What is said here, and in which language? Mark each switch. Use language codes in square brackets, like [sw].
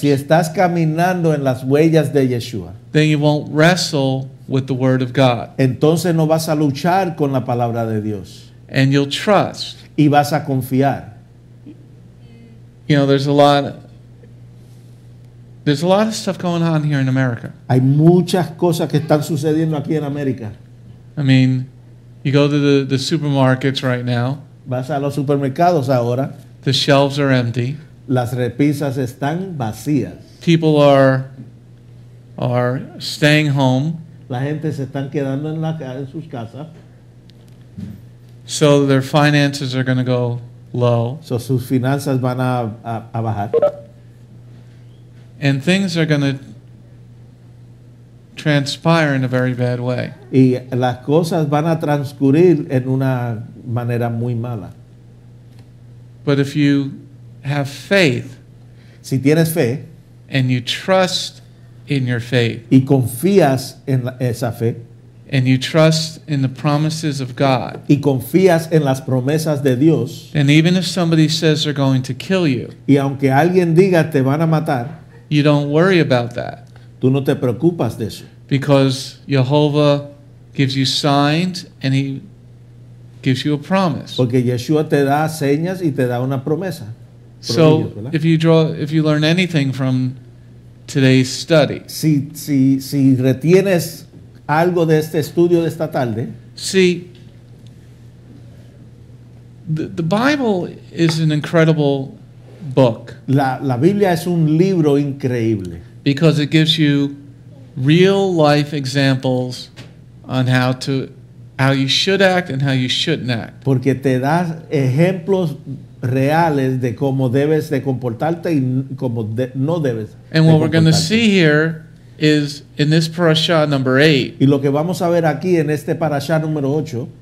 [es] si estás caminando en las huellas de Yeshua, [en] then you won't wrestle with the word of God. [es] Entonces no vas a luchar con la palabra de Dios. [en] And you'll trust. [es] Y vas a confiar. [en] You know, there's a lot of stuff going on here in America. [es] Hay muchas cosas que están sucediendo aquí en América. [en] I mean, you go to the supermarkets right now. [es] Vas a los supermercados ahora. [en] The shelves are empty. [es] Las repisas están vacías. [en] People are staying home. [es] La gente se están quedando en sus casas. [en] So their finances are going to go low. [es] So sus finanzas van a bajar. [en] And things are going to transpire in a very bad way. [es] Y las cosas van a transcurrir en una manera muy mala. [en] But if you have faith, [es] si tienes fe, [en] and you trust in your faith, [es] y confías en esa fe, [en] and you trust in the promises of God, [es] y confías en las promesas de Dios, [en] and even if somebody says they're going to kill you, [es] y aunque alguien diga te van a matar, [en] you don't worry about that. [es] Tú no te preocupas de eso. [en] Because Jehovah gives you signs and he gives you a promise. [es] Porque Yeshua te da señas y te da una promesa. [en] So if you learn anything from today's study, [es] si retienes algo de este estudio de esta tarde, [en] see, the Bible is an incredible book. [es] La Biblia es un libro increíble. [en] Because it gives you real life examples on how you should act and how you shouldn't act. [es] Porque te da ejemplos reales de cómo debes de comportarte y cómo no debes. [en] And what we're going to see here is in this parasha number 8. [es] Y lo que vamos a ver aquí en este parasha número 8